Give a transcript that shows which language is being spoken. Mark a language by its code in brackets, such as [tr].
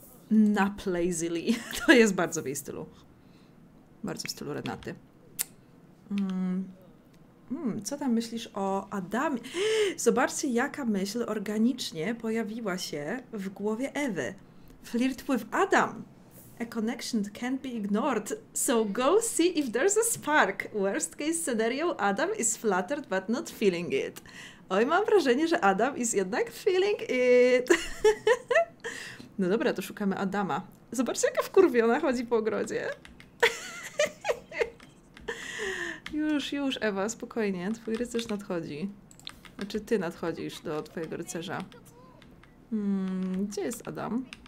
[en] Nap lazily. [pl] To jest bardzo w jej stylu. Bardzo w stylu Renaty. Co tam myślisz o Adamie? Zobaczcie, jaka myśl organicznie pojawiła się w głowie Ewy. [en] Flirt with Adam. A connection can't be ignored. So go see if there's a spark. Worst case scenario, Adam is flattered but not feeling it. [pl] Oj, mam wrażenie, że Adam is jednak [en] feeling it. [pl] No dobra, to szukamy Adama. Zobaczcie, jaka wkurwiona chodzi po ogrodzie. Już, już, Ewa, spokojnie. Twój rycerz nadchodzi. Znaczy, ty nadchodzisz do twojego rycerza. Gdzie jest Adam?